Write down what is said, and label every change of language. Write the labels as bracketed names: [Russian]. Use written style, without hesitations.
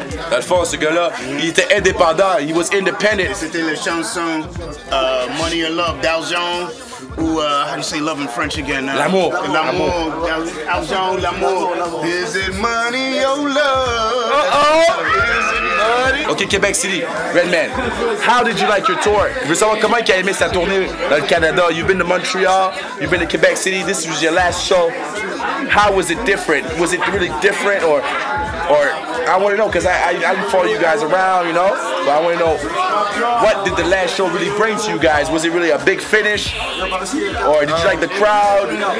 [French] Dans le fond, ce gars-là, il était indépendant. [English] He was independent. [French] Et c'était la chanson Money or Love d'Aljon. [English] Ou, how do you say love in French again? [French] L'amour. L'amour. Argent, l'amour. [English] Is it money or love? Uh-oh! Is it money? Okay, Quebec City, Redman, how did you like your tour? [French] Je veux savoir comment tu as aimé sa tournée dans le Canada. [English] You've been to Montreal, you've been to Quebec City, this was your last show. How was it different? Was it really different or I want to know because I follow you guys around, you know, but I want to know what did the last show really bring to you guys? Was it really a big finish or did you like the crowd?